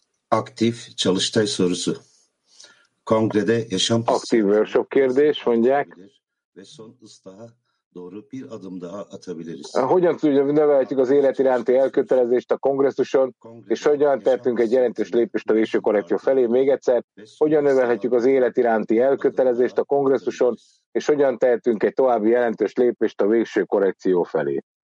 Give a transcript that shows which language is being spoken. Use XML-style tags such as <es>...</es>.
<tr>Aktív çalıştay sorusu. Kongrede yaşam</tr> <hu>aktif workshop kérdés, mondják.</hu> <tr>Ve son ıslaha doğru bir adım daha atabiliriz.</tr> <hu>Hogyan tudjuk, növeljük az élet iránti elkötelezést a kongresszuson, és hogyan tettünk egy jelentős lépést a végső korrekció felé? Még egyszer, hogyan növelhetjük az élet iránti elkötelezést a kongresszuson, és hogyan tehetünk egy további jelentős lépést a végső korrekció felé?</hu>